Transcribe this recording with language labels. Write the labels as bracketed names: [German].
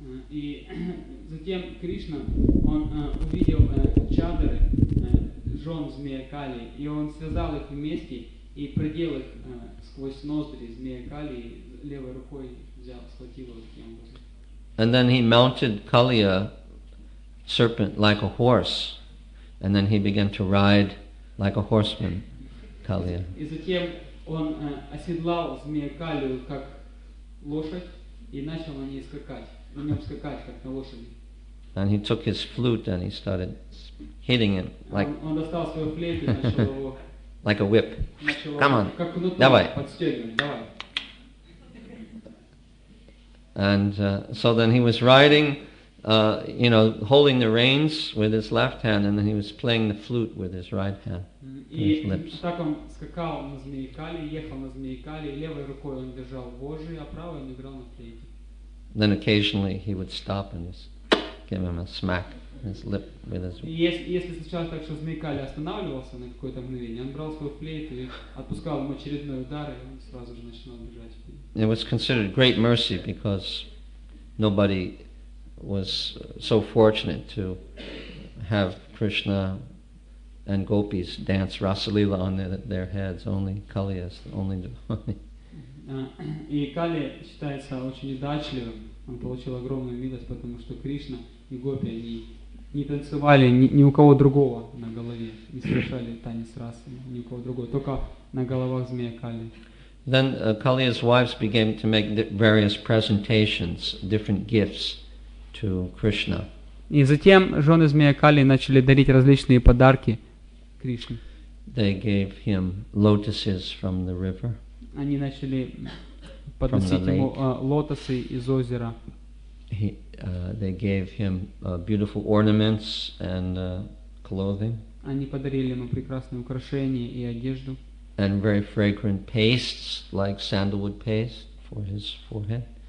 [Russian] И затем Кришна, он увидел чадры жен змея Кали, и он связал их вместе и продел их сквозь ноздри змея Кали, и левой рукой взял, схватил их. [English] And then he mounted Kaliya, serpent, like a horse. And then he began to ride like a horseman, Kaliya. [Russian] И затем он оседлал змея Калию, как лошадь, и начал на ней скакать, на нем скакать, как на лошади. [English] And he took his flute and he started hitting him like, [Russian] он достал свою флейту и начал его, [English] like a whip. [Russian] Начал, [English] come on, [Russian] как кнутом, давай. Подстегивай, давай. [English] And so then he was riding, you know, holding the reins with his left hand, and then he was playing the flute with his right hand, his lips. [Russian] И так он скакал на змеи Кали, ехал на змеи Кали, левой рукой он держал вожжи, а правой он играл на флейте. [English] Then occasionally he would stop and just give him a smack in his lip with his. [Russian] Если случалось так, что змеи Кали останавливался на какое-то мгновение, он брал свою флейту и отпускал ему очередной удар, и он сразу же начинал бежать. [English] It was considered great mercy because nobody was so fortunate to have Krishna and gopis dance Rasalila on their heads. Only Kaliya is the only devotee. And [Russian] Kaliya считается очень удачливым. Он получил огромную милость, потому что Кришна и гопи они не танцевали ни у кого другого на голове, не совершали танец расы ни у кого другого, только на головах змея Кали. [English] Then Kaliya's wives began to make various presentations, different gifts to Krishna. [Russian] И затем жены змея Кали начали дарить различные подарки Кришне. [English] They gave him lotuses from the river. [Russian] Они начали подносить ему лотосы из озера. [English] They gave him beautiful ornaments and clothing. [Russian] Они подарили ему прекрасные украшения и одежду. [English] And very fragrant pastes like sandalwood paste for his forehead.